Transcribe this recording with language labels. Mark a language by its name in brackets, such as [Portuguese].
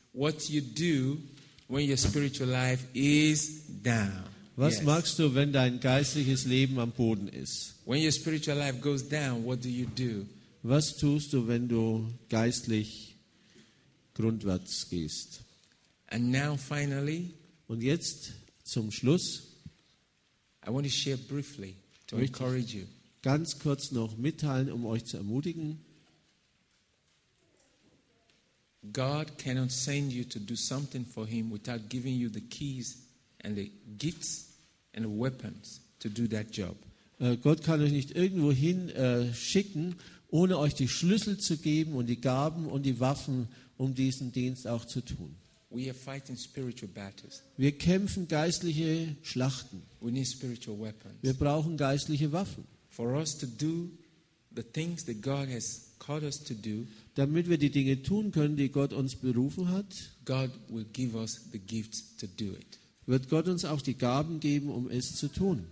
[English] What you do when your spiritual life is down. [German] Was [English] yes. [German] machst du, wenn dein geistliches Leben am Boden ist? [English] When your spiritual life goes down, what do you do? [German] Was tust du, wenn du geistlich grundwärts gehst? [English] And now finally, [German] und jetzt zum Schluss, [English] I want to share briefly to encourage you. [German] Ganz kurz noch mitteilen, um euch zu ermutigen. [English] God cannot send you to do something for him without giving you the keys and the gifts. And weapons to do that job. [German] Gott kann euch nicht irgendwohin schicken, ohne euch die Schlüssel zu geben und die Gaben und die Waffen, um diesen Dienst auch zu tun. [English] We are fighting spiritual battles. [German] Wir kämpfen geistliche Schlachten. [English] We need spiritual weapons. [German] Wir brauchen geistliche Waffen. [English] For us to do the things that God has called us to do. [German] Damit wir die Dinge tun können, die Gott uns berufen hat. [English] God will give us the gifts to do it. [German] Wird Gott uns auch die Gaben geben, um es zu tun.